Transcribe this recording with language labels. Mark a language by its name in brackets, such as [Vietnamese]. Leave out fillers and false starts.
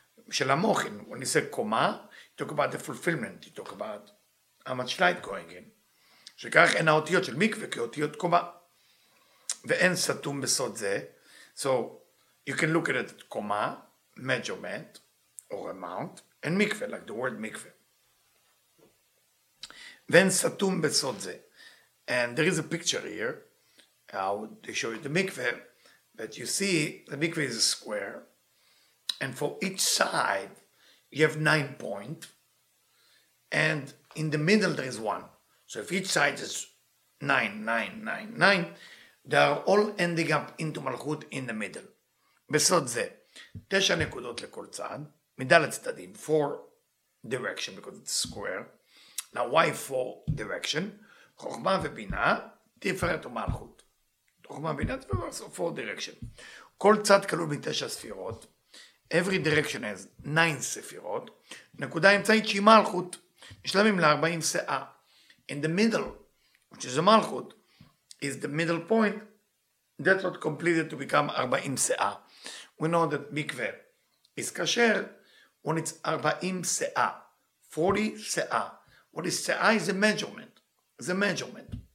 [Hebrew] של המוחין, [English] when you say קומה, you talk about the fulfillment, you talk about how much light going in. [Hebrew] שכך אין האותיות של מקווה כאותיות קומה. ואין סתום בסוד זה. [English] So, you can look at it at koma, measurement, or amount, and mikveh, like the word mikveh. [Hebrew] Ven satum besod ze. [English] And there is a picture here. I'll show you the mikveh. But you see, the mikveh is a square. And for each side, you have 9 points. And in the middle, there is one. So if each side is 9, 9, 9, 9, they are all ending up into malchut in the middle. [Hebrew] בסוד זה, 9 נקודות לכל צד, מדלת צדדים, [English] 4 directions, because it's square. Now, why 4 directions? [Hebrew] חוכמה ובינה, תפארת ומלכות. חוכמה ובינה, תפארת, [English] so 4 directions. [Hebrew] כל צד כלול ב9 ספירות, [English] every direction has 9 [Hebrew] ספירות, נקודה אמצעית שהיא מלכות, נשלמים ל40 סאה. [English] In the middle, which is a מלכות, is the middle point, that's not completed to become 40 סאה. We know that mikveh is kasher when it's 40 se'ah. 40 se'ah. What is se'ah? It's a measurement. It's a measurement.